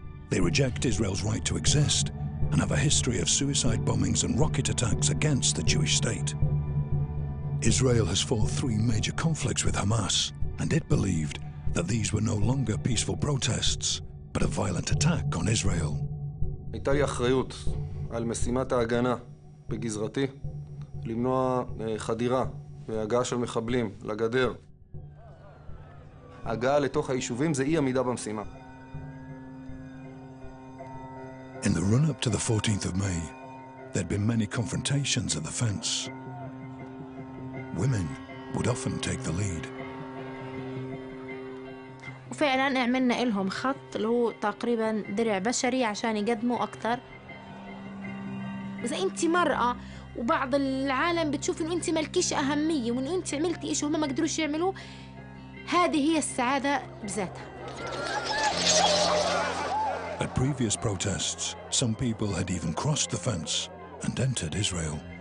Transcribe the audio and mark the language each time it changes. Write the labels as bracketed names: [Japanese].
[English] They reject Israel's right to exist and have a history of suicide bombings and rocket attacks against the Jewish state. Israel has fought 3 major conflicts with Hamas, and it believed that these were no longer peaceful protests, but a violent attack on Israel. [Hebrew] הייתה לי אחריות על משימת ההגנה בגזרתי, למנוע חדירה והגעה של מחבלים לגדר. הגעה לתוך היישובים זה אי עמידה במשימה. [English] In the run-up to the 14th of May, there'd been many confrontations at the fence. Women would often take the lead. [Arabic] وفعلا عملنا لهم خط اللي هو تقريبا درع بشري عشان يقدموا اكثر. اذا انت مرأة وبعض العالم بتشوف انه انت مالكيش اهميه وانه انت عملتي شيء هم ما قدروش يعملوا, هذه هي السعاده بذاتها. [English] At previous protests, some people had even crossed the fence and entered Israel.